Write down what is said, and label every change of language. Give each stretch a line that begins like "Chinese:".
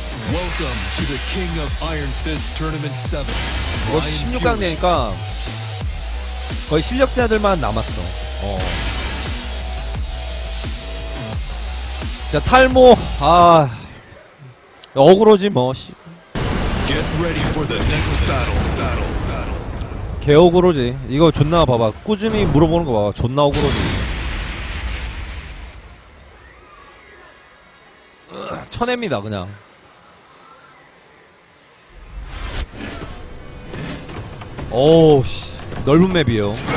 English: Welcome to the King of Iron Fist Tournament 7.
Korean: 16강 되니까 거의 실력자들만 남았어. 자, 탈모. 아, 억울하지 뭐.
English: Get ready for the next battle.
Korean: 개 억울하지. 이거 존나 봐봐. 꾸준히 물어보는 거 봐봐. 존나 억울하지. 쳐냅니다 그냥. 오우씨, 넓은 맵이에요.